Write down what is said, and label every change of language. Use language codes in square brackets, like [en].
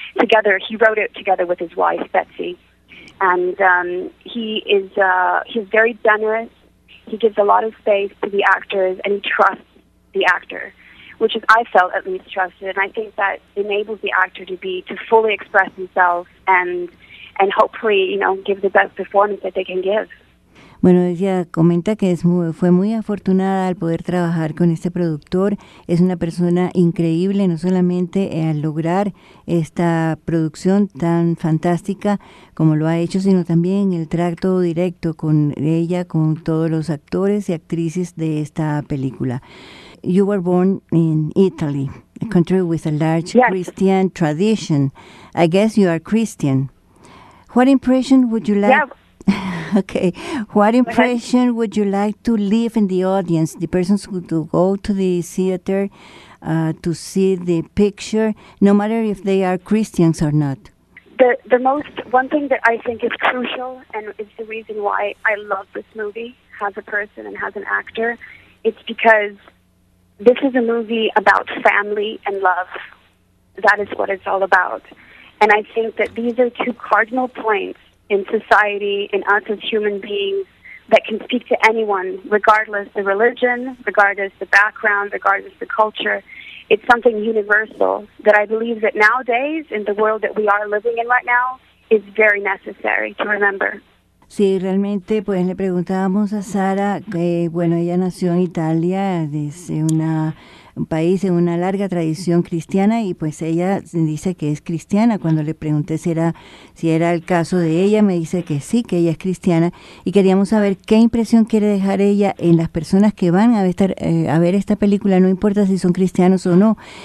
[en] Together, he wrote it together with his wife, Betsy. And he's very generous. He gives a lot of space to the actors, and he trusts the actor, which is, I felt, at least trusted. And I think that enables the actor to fully express himself and hopefully, give the best performance that they can give. [es] Bueno, ella comenta que fue muy afortunada al poder trabajar con este productor. Es una persona increíble, no solamente al lograr esta producción tan fantástica como lo ha hecho, sino también el trato directo con ella, con todos los actores y actrices de esta película. [en] You were born in Italy, a country with a large Christian tradition. I guess you are Christian. What impression would you like... Yeah. Okay, what impression would you like to leave in the audience, the persons who go to the theater to see the picture, no matter if they are Christians or not? The most, one thing that I think is crucial and is the reason why I love this movie as a person and as an actor, it's because this is a movie about family and love. That is what it's all about. And I think that these are two cardinal points in society, in us as human beings, that can speak to anyone, regardless the religion, regardless the background, regardless the culture. It's something universal that I believe that nowadays, in the world that we are living in right now, is very necessary to remember. [es] Sí, realmente, pues le preguntábamos a Sara, ella nació en Italia, desde una... un país en una larga tradición cristiana, y pues ella dice que es cristiana. Cuando le pregunté si era el caso de ella, me dice que sí, que ella es cristiana, y queríamos saber qué impresión quiere dejar ella en las personas que van a ver esta película, no importa si son cristianos o no.